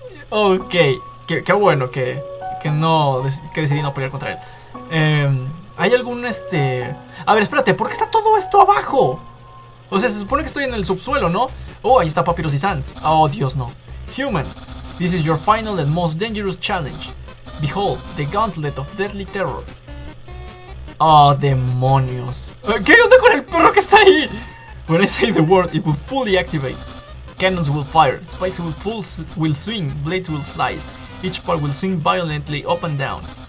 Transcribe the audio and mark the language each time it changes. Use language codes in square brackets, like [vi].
[es] Ok, qué bueno que decidí no pelear contra él. ¿Hay algún A ver, espérate, ¿por qué está todo esto abajo? O sea, se supone que estoy en el subsuelo, ¿no? Oh, ahí está Papyrus y Sans. Oh, Dios, no. [en] Human, this is your final and most dangerous challenge. Behold, the gauntlet of deadly terror. [es] Oh, demonios. ¿Qué onda con el perro que está ahí? [en] When I say the word, it will fully activate. Cannons will fire, spikes will swing, blades will slice. Each part will swing violently up and down.